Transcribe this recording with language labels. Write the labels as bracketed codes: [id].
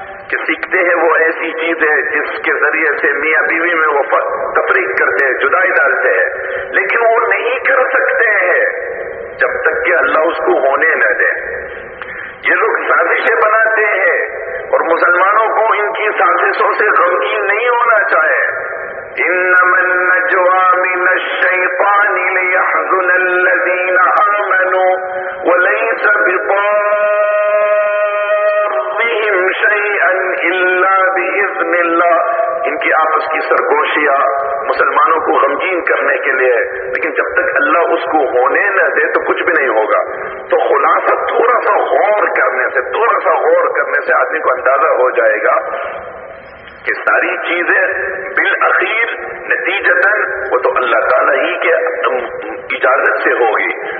[ur] کہ سیکھتے ہیں وہ ایسی چیزیں جس کے ذریعے سے میاں بیوی میں وہ تفریق کرتے ہیں, جدائی ڈالتے ہیں, لیکن وہ نہیں کر سکتے ہیں جب تک کہ اللہ اس کو ہونے نہ دے. یہ لوگ سازشیں بناتے ہیں اور مسلمانوں کو ان کی سازشوں سے غمگین نہیں ہونا چاہے. [ar] انما النجوى من الشیطان ليحزن الذين آمنوا وليس بضارهم شيئا الا باذن الله, [ur] ان کی آپس کی سرگوشیاں, مسلمانوں کو غمگین کرنے کے لیے ہے, لیکن جب تک اللہ اس کو ہونے نہ دے تو کچھ بھی نہیں ہوگا. تو خلاصہ تھوڑا سا غور کرنے سے, تھوڑا سا غور کرنے سے آدمی کو اندازہ ہو جائے گا کہ ساری چیزیں بالاخیر نتیجتاً وہ تو اللہ تعالیٰ ہی کے اجازت سے ہوگی.